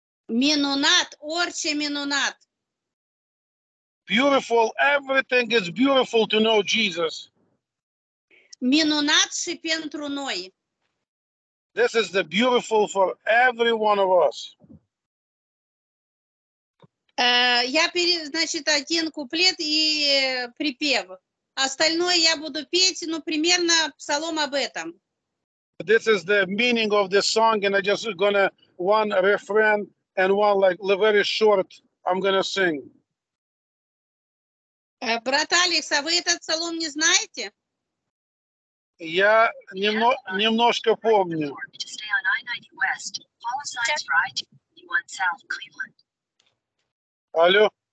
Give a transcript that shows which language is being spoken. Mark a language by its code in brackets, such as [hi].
[ro] Minunat, orice minunat. [en] Beautiful, everything is beautiful to know Jesus. [ro] Minunat și pentru noi. [en] This is the beautiful for every one of us. [ru] Я значит, один куплет и припев. Остальное я буду петь, ну, примерно псалом об этом. [en] This is the meaning of this song, and I just gonna one refrain and one like very short I'm gonna sing. [ru] Брат Алекс, а вы этот псалом не знаете? Я немножко помню. Алло.